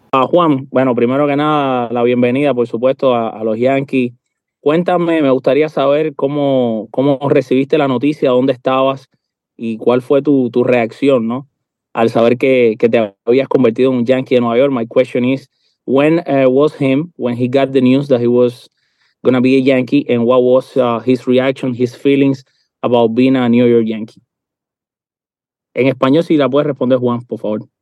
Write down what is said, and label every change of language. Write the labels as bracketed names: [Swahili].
[Spanish] Juan, bueno, primero que nada, la bienvenida, por supuesto, a los Yankees. Cuéntame, me gustaría saber cómo recibiste la noticia, dónde estabas y cuál fue tu reacción, ¿no? Al saber que te habías convertido en un Yankee de Nueva York. [English] My question is, when was him when he got the news that he was going to be a Yankee, and what was his reaction, his feelings about being a New York Yankee? [Spanish] En español, si la puedes responder, Juan, por favor.